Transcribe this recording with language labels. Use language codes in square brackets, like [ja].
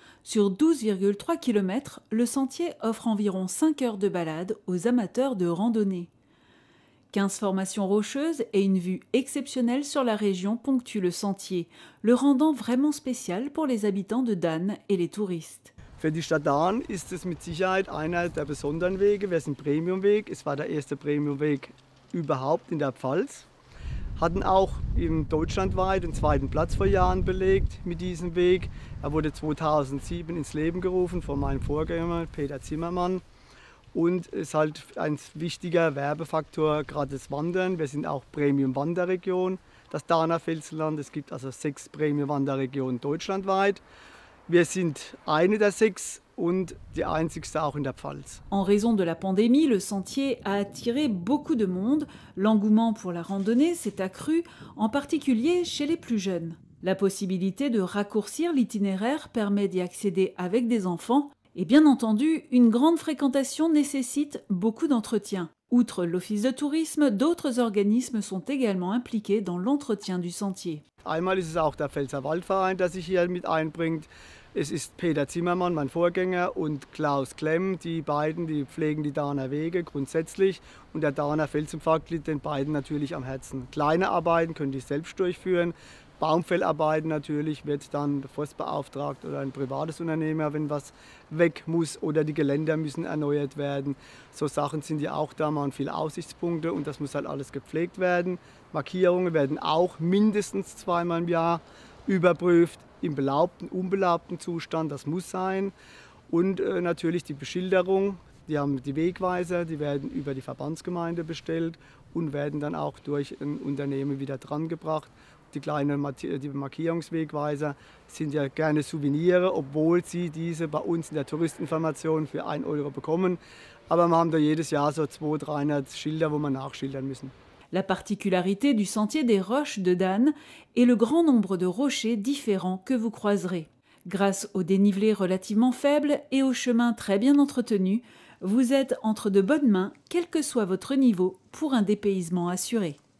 [fr] Sur 12,3 km, le sentier offre environ 5 heures de balade aux amateurs de randonnée. 15 formations rocheuses et une vue exceptionnelle sur la région ponctuent le sentier, le rendant vraiment spécial pour les habitants de Dan et les touristes. [de] Für die Stadt Dan ist es mit Sicherheit einer der besonderen Wege. Wir sind Premiumweg. Es war der erste Premiumweg überhaupt in der Pfalz. Hatten auch in deutschlandweit den zweiten Platz vor Jahren belegt mit diesem Weg. Er wurde 2007 ins Leben gerufen von meinem Vorgänger Peter Zimmermann. Und ist halt ein wichtiger Werbefaktor, gerade das Wandern. Wir sind auch Premium-Wanderregion, das Dahner Felsenland. Es gibt also 6 Premium-Wanderregionen deutschlandweit. Wir sind eine der 6 und die einzigste auch in der Pfalz. [fr] En raison de la pandémie, le sentier a attiré beaucoup de monde. L'engouement pour la randonnée s'est accru, en particulier chez les plus jeunes. La possibilité de raccourcir l'itinéraire permet d'y accéder avec des enfants. Et bien entendu, une grande fréquentation nécessite beaucoup d'entretien. Outre l'office de tourisme, d'autres organismes sont également impliqués dans l'entretien du sentier. [de] Einmal ist es auch der Pfälzer Waldverein, der sich hier mit einbringt. Es ist Peter Zimmermann, mein Vorgänger, und Klaus Klemm, die beiden, die pflegen die Dahner Wege grundsätzlich. Und der Dahner Felsenpfad liegt den beiden natürlich am Herzen. Kleine Arbeiten können die selbst durchführen. Baumfellarbeiten natürlich wird dann forstbeauftragt oder ein privates Unternehmer, wenn was weg muss oder die Geländer müssen erneuert werden. So Sachen sind ja auch da, man viele Aussichtspunkte und das muss halt alles gepflegt werden. Markierungen werden auch mindestens 2-mal im Jahr überprüft, im belaubten, unbelaubten Zustand, das muss sein. Und natürlich die Beschilderung, die haben die Wegweiser, die werden über die Verbandsgemeinde bestellt und werden dann auch durch ein Unternehmen wieder drangebracht. Die kleinen Markierungswegweiser sind ja gerne Souvenire, obwohl sie diese bei uns in der Touristinformation für 1 Euro bekommen. Aber wir haben da jedes Jahr so 200-300 Schilder, wo wir nachschildern müssen. [fr] La particularité du sentier des Roches de Dan est le grand nombre de rochers différents que vous croiserez. Grâce au dénivelé relativement faible et au chemin très bien entretenu, vous êtes entre de bonnes mains, quel que soit votre niveau, pour un dépaysement assuré.